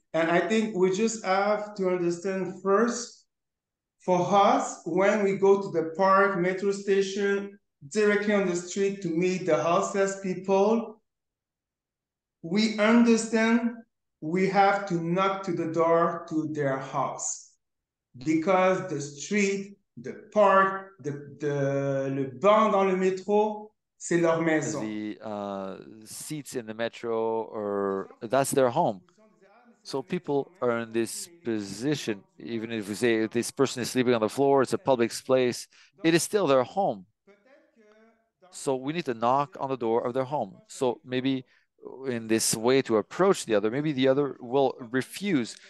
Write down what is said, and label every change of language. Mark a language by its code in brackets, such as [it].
[en] And I think we just have to understand first, for us, when we go to the park, metro station, directly on the street to meet the houseless people, we understand we have to knock to the door to their house. Because the street, the park, the [fr] le banc dans le métro, c'est leur maison. [en] The seats in the metro, or that's their home. So people are in this position, even if we say this person is sleeping on the floor, it's a public place, it is still their home. So we need to knock on the door of their home. So maybe in this way to approach the other, maybe the other will refuse.